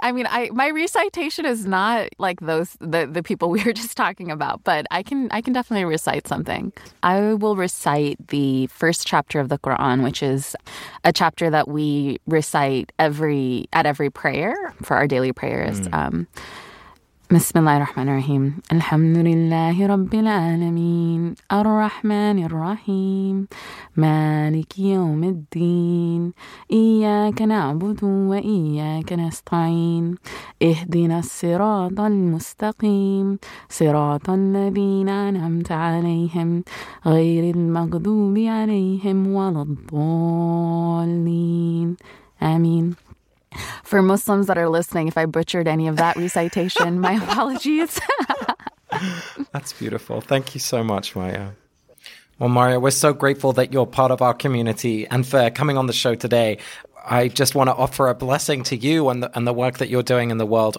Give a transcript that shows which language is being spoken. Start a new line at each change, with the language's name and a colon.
English: I mean, my recitation is not like the people we were just talking about, but I can definitely recite something. I will recite the first chapter of the Quran, which is a chapter that we recite at every prayer for our daily prayers.
Arabic: بسم الله الرحمن الرحيم الحمد لله رب العالمين الرحمن الرحيم مالك يوم الدين إياك نعبد وإياك نستعين اهدنا الصراط المستقيم صراط الذين أنعمت عليهم غير المغضوب عليهم ولا الضالين آمين.
English: For Muslims that are listening, if I butchered any of that recitation, my apologies. That's beautiful. Thank you so much, Marya. Well, Marya, we're so grateful that you're part of our community and for coming on the show today. I just want to offer a blessing to you and the work that you're doing in the world.